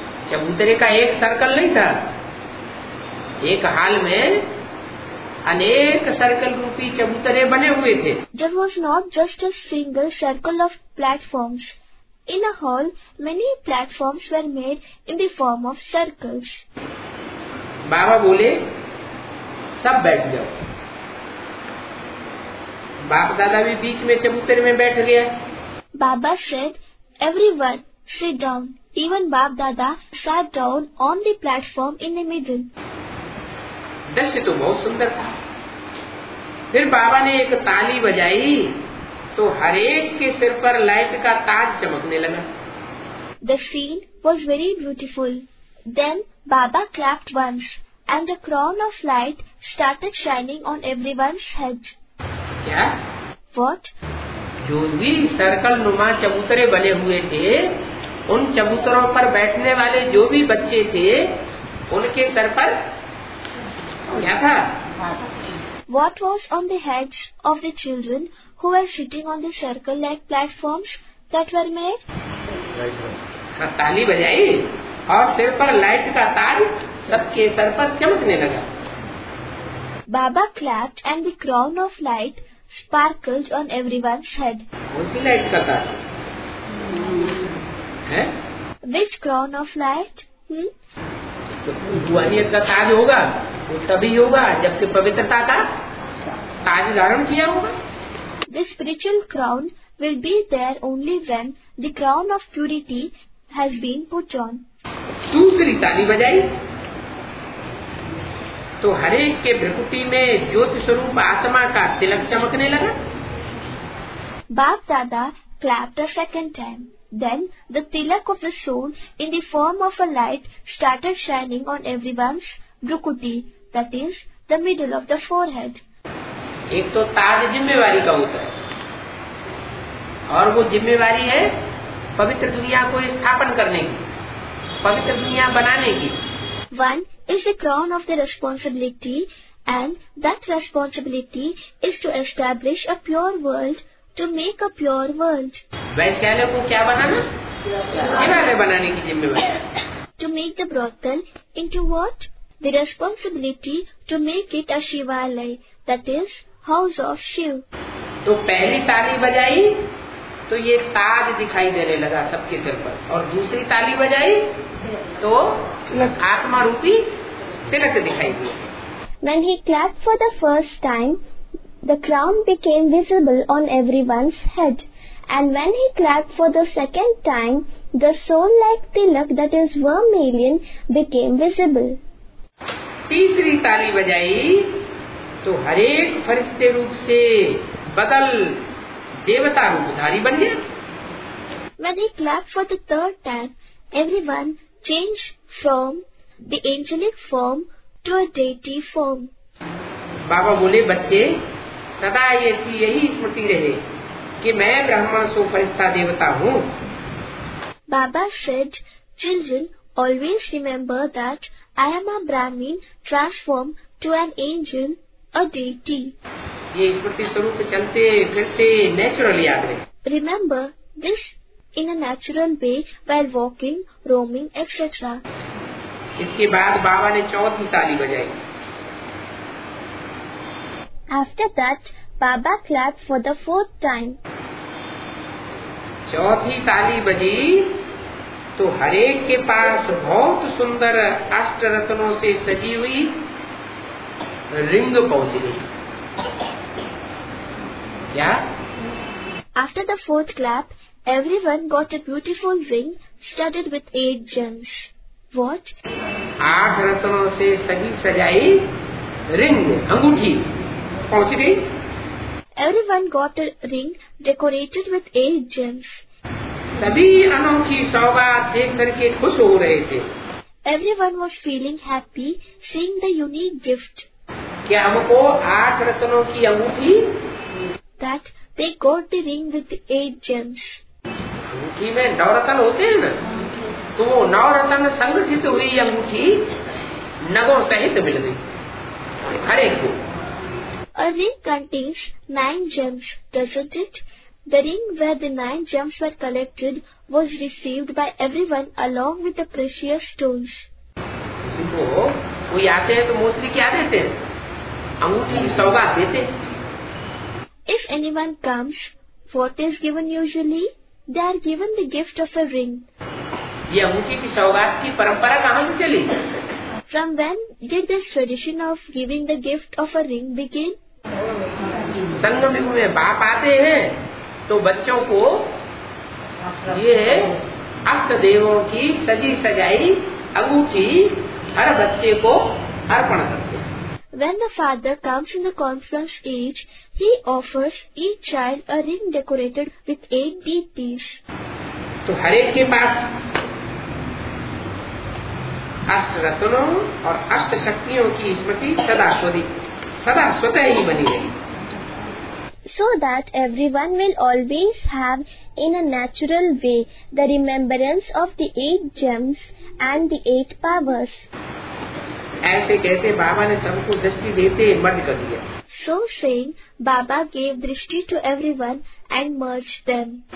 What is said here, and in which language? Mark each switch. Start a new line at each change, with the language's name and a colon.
Hindi: चबूतरे का एक सर्कल नहीं था, एक हाल में अनेक सर्कल रूपी चबूतरे बने हुए थे।
English: There was not just a single circle of platforms. In a hall, many platforms were made in the form of circles.
Hindi: बाबा बोले, सब बैठ जाओ। बाप दादा भी बीच में चबूतरे में बैठ गया।
English: Baba said, everyone sit down. Even BapDada sat down on the platform in the middle.
Hindi: दृश्य तो बहुत सुंदर था। फिर बाबा ने एक ताली बजाई तो हरेक के सिर पर लाइट का ताज चमकने लगा।
English: The scene was very beautiful. Then Baba clapped once and a crown of light started shining on everyone's head.
Hindi: क्या?
English: What?
Hindi: जो भी सर्कल नुमा चबूतरे बने हुए थे उन चबूतरों पर बैठने वाले जो भी बच्चे थे उनके सर पर क्या था?
English: What was on the heads of the children who were sitting on the circle-like platforms that were made?
Hindi: ताली बजाई और सिर पर लाइट का ताज सबके सर पर चमकने लगा।
English: Baba clapped and the crown of light sparkled on everyone's हेड।
Hindi: उसी लाइट का तार है?
English: Which crown of light?
Hindi: रूहानियत का ताज होगा, वो तभी होगा जबकि पवित्रता का ताज धारण किया होगा।
English: The spiritual crown will be there only when the crown of purity has been put on.
Hindi: दूसरी ताली बजाई तो हरेक के भ्रकुटी में ज्योति स्वरूप आत्मा का तिलक चमकने लगा।
English: BapDada clapped a second time. Then the tilak of the soul in the form of a light started shining on everyone's brukuti, that is the middle of the forehead.
Hindi: एक तो ताज जिम्मेवारी का होता है और वो जिम्मेवारी है पवित्र दुनिया को स्थापन करने की, पवित्र दुनिया बनाने की।
English: One is the crown of the responsibility and that responsibility is to establish a pure world, to make a pure world.
Hindi: वैश्याले को क्या बनाना? जिम्मेवारी बनाने की जिम्मेवारी।
English: To make the brothel into what? The responsibility to make it a shivalay, that is House of Shiv.
Hindi: तो पहली ताली बजाई तो ये ताज दिखाई देने लगा सबके सिर पर, और दूसरी ताली बजाई तो आत्मा रूपी तिलक दिखाई दिए।
English: When he clapped for the first time, the crown became visible on everyone's head. And when he clapped for the second time, the soul like tilak, that is vermilion, became visible.
Hindi: तीसरी ताली बजाई तो हरेक फरिश्ते रूप से बदल देवता रूपधारी बन गया।
English: When he clapped for the third time, everyone changed from the angelic form to a deity form.
Hindi: बाबा बोले बच्चे सदा ऐसी यही स्मृति रहे कि मैं ब्राह्मण सो फरिश्ता देवता हूँ।
English: Baba said, children always remember that I am a Brahmin transformed to an angel. A deity.
Hindi: ये स्मृति स्वरूप चलते फिरते नेचुरली याद रहे।
English: Remember this in a natural way while walking, roaming, etc.
Hindi: इसके बाद बाबा ने चौथी ताली बजाई।
English: After that, Baba clapped for the fourth time.
Hindi: चौथी ताली बजी तो हरेक के पास बहुत सुंदर अष्ट रत्नों से सजी हुई रिंग पहुंच गई। क्या?
English: After the fourth clap, everyone got a beautiful ring studded with eight gems. What?
Hindi: आठ रत्नों से सजी सजाई रिंग अंगूठी पहुंच गई।
English: Everyone got a ring decorated with eight gems.
Hindi: सभी अनोखी सौगात देख करके खुश हो रहे थे।
English: Everyone was feeling happy seeing the unique gift.
Hindi: कि हमको आठ रत्नों की अंगूठी,
English: that they got the ring with eight gems.
Hindi: अंगूठी में नौ रत्न होते हैं ना, तो वो नौ रत्न संगठित हुई अंगूठी नगों सहित मिल गई हर एक को।
English: A ring contains nine gems, doesn't it? The ring where the nine gems were collected was received by everyone along with the precious stones.
Hindi: किसी को कोई आते हैं तो मोस्टली क्या देते हैं? अंगूठी सौगात देते।
English: If anyone comes, what is given usually? They are given the gift of a ring.
Hindi: ये अंगूठी की सौगात की परंपरा कहाँ से चली?
English: From when did this tradition of giving the gift of a ring begin?
Hindi: संगम युग में बाप आते हैं तो बच्चों को ये अष्ट देवों की सजी सजाई अंगूठी हर बच्चे को अर्पण करते हैं।
English: When the father comes in the conference age, he offers each child a ring decorated with eight deities.
Hindi: तो हरेक के पास अष्ट रत्नों और अष्ट शक्तियों की स्मृति सदा स्वतः ही बनी रही।
English: So that everyone will always have in a natural way the remembrance of the eight gems and the eight powers.
Hindi: ऐसे कहते बाबा ने सबको दृष्टि देते मर्ज कर दिया। So saying, Baba gave drishti to everyone and merged them.